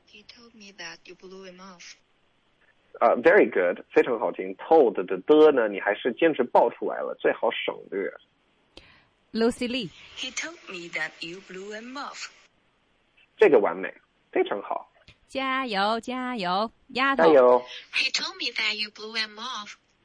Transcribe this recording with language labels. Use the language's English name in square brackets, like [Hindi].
[English] ，He told me that you blew him off。 very good， [Chinese] 非常好听。 Told 的 的呢，你还是坚持爆出来了，最好省略。 [English] Lucy Lee。 He told me that you blew him off。 [Chinese] 这个完美，非常好。加油加油，丫头。加油。 [English] He told me that you blew him off。